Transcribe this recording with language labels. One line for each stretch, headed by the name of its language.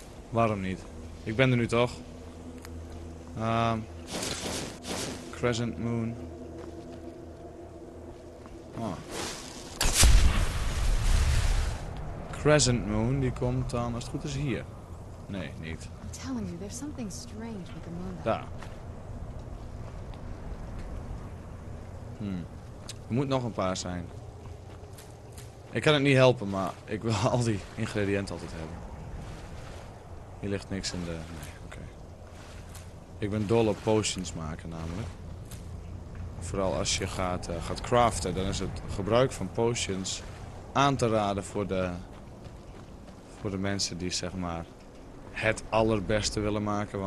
Dutch: Waarom niet? Ik ben er nu toch? Crescent Moon. Crescent Moon, die komt dan, als het goed is, hier. Nee, niet.
English: I'm telling you, there's something strange with the moon.
Dutch: Daar. Er moet nog een paar zijn. Ik kan het niet helpen, maar ik wil al die ingrediënten altijd hebben. Hier ligt niks in de... Nee, oké. Ik ben dol op potions maken, namelijk. Vooral als je gaat craften, dan is het gebruik van potions aan te raden voor de mensen die, zeg maar, het allerbeste willen maken.